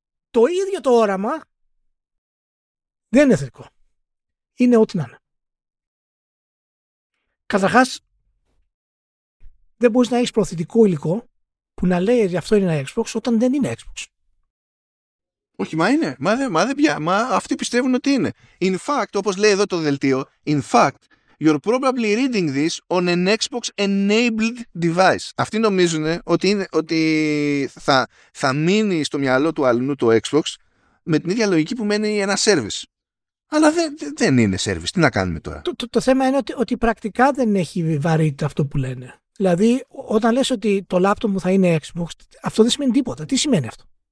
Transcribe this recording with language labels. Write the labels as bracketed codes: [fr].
[el] Το ίδιο το όραμα δεν είναι θετικό. Είναι ό,τι να είναι. Καταρχάς, δεν μπορείς να έχεις προθετικό υλικό που να λέει ότι αυτό είναι ένα Xbox όταν δεν είναι Xbox. Όχι, μα είναι. Μα αυτοί πιστεύουν ότι είναι. [en] In fact, [el] όπως λέει εδώ το δελτίο, [en] in fact, you're probably reading this on an Xbox-enabled device. [el] Αυτοί νομίζουν ότι θα μείνει στο μυαλό του αλλού το Xbox με την ίδια λογική που μένει ένα service. Αλλά δεν είναι service. Τι να κάνουμε τώρα. Το θέμα είναι ότι πρακτικά δεν έχει βαρύτητα αυτό που λένε. Δηλαδή, όταν λες ότι το λάπτοπ μου θα είναι Xbox, αυτό δεν σημαίνει τίποτα. Τι σημαίνει αυτό?